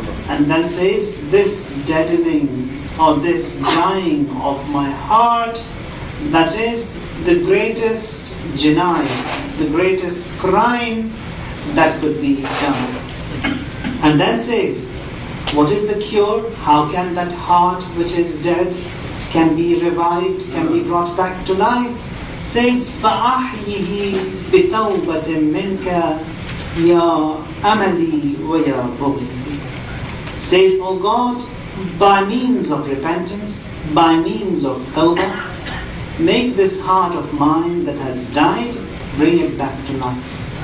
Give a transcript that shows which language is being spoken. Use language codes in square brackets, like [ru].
[en] And then says, this deadening or this dying of my heart, that is the greatest jinayah, the greatest crime that could be done. And then says, what is the cure? How can that heart which is dead can be revived, can be brought back to life? Says, [ar] فَأَحْيِهِ بِتَوْبَةٍ مِنْكَ يَا أَمَلِي وَيَا بُغْيَةِ. [en] Says, O God, by means of repentance, by means of tawbah, make this heart of mine that has died, bring it back to life.